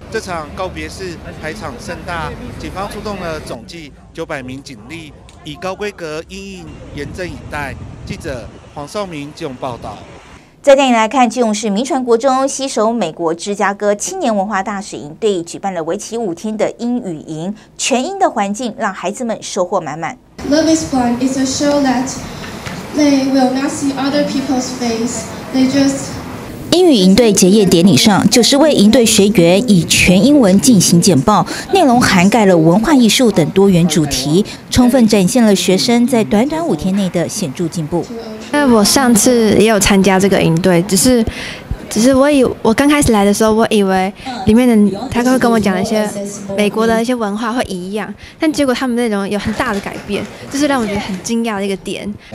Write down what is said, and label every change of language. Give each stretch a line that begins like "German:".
Chinese: 这场告别式排场盛大，警方出动了总计900名警力，以高规格因应严阵以待。记者黄少明基隆报道。再带你来看基隆市民传国中携手美国芝加哥青年文化大使营队，举办了为期5天的英语营，全英的环境让孩子们收获满满。
English: Love is blind is a show that they will not see other people's face. They just
Chinese: 英语营队结业典礼上，90位营队学员以全英文进行简报，内容涵盖了文化艺术等多元主题，充分展现了学生在短短5天内的显著进步。那我上次也有参加这个营队，只是我刚开始来的时候，我以为里面的他会跟我讲一些美国的一些文化会一样，但结果他们内容有很大的改变，这是让我觉得很惊讶的一个点。